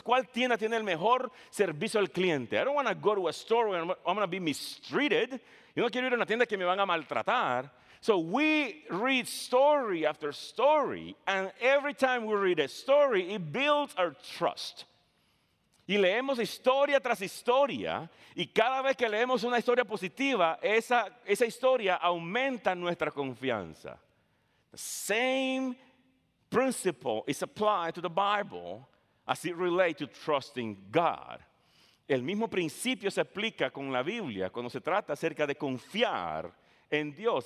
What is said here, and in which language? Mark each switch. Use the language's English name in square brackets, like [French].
[Spanish] ¿Cuál tienda tiene el mejor servicio al cliente? [English] I don't want to go to a store where I'm going to be mistreated. [Spanish] Yo no quiero ir a una tienda que me van a maltratar. [English] So we read story after story, and every time we read a story, it builds our trust. [Spanish] Y leemos historia tras historia, y cada vez que leemos una historia positiva, esa historia aumenta nuestra confianza. [English] The same principle is applied to the Bible as it relates to trusting God. [Spanish] El mismo principio se aplica con la Biblia cuando se trata acerca de confiar en Dios.